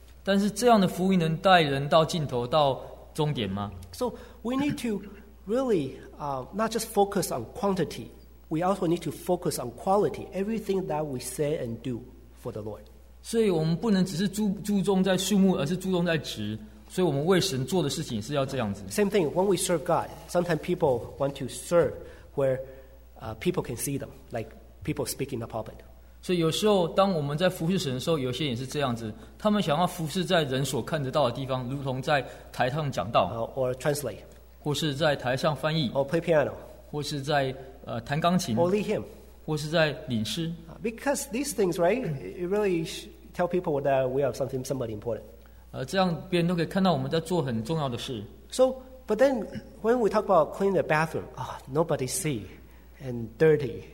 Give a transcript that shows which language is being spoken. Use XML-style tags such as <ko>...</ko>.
<zh>但是这样的福音能带人到尽头，到终点吗</zh> <en>？So we need to really not just focus on quantity. We also need to focus on quality. Everything that we say and do for the Lord.</en> <zh>所以我们不能只是注重在数目，而是注重在值。</zh> <en>Same thing, when we serve God, sometimes people want to serve where people can see them, like people speak in the pulpit.</en> <zh>所以有时候当我们在服侍神的时候，有些也是这样子，他们想要服侍在人所看得到的地方，如同在台上讲道，</zh> <en>or translate,</en> <zh>或是在台上翻译,</zh> <en>or play piano,</en> <zh>或是在, 弹钢琴,</zh> <en>or lead him,</en> <zh>或是在领诗。</zh> <en>Because these things, right, it really tell people that we are something, somebody important.</en> <zh>这样别人都可以看到我们在做很重要的事。</zh> <en>So, but then when we talk about cleaning the bathroom, oh, nobody see and dirty.</en>